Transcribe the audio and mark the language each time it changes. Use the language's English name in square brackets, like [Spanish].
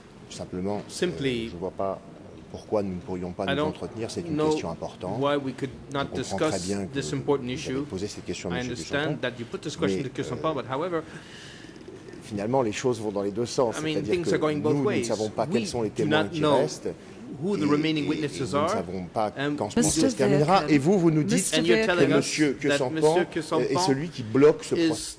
[French] Simplement, simply, je vois pas pourquoi nous ne pourrions pas nous entretenir. C'est une question importante. [English] Why we could not discuss this important issue. [French] Vous avez posé cette question, [English] I understand Duchampan, that you put this question to Khieu Samphan, but however, [French] finalement, les choses vont dans les deux sens. [English] I mean, things are going both ways. [French] Nous ne savons pas quels sont les témoins qui restent. [English] Who the remaining witnesses are. [French] Nous ne savons pas quand ce procès se terminera. Et vous, vous nous dites que M. Khieu Samphan est celui qui bloque ce procès.